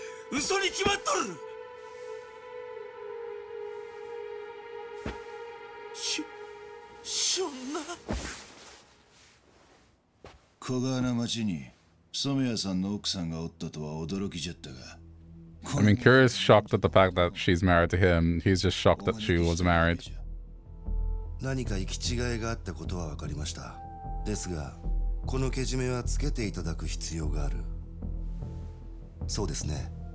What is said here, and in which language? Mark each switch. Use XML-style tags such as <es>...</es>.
<ja>嘘に決まっとる。そんな。小川の町に染谷さんの奥さんがおったとは驚きじゃったが。</ja> <en>I mean, curious shocked at the fact that she's married to him. He's just shocked that she was married.</en> <ja>何か行き違いがあったことは分かりました。ですが、このけじめはつけていただく必要がある。そうですね。</ja>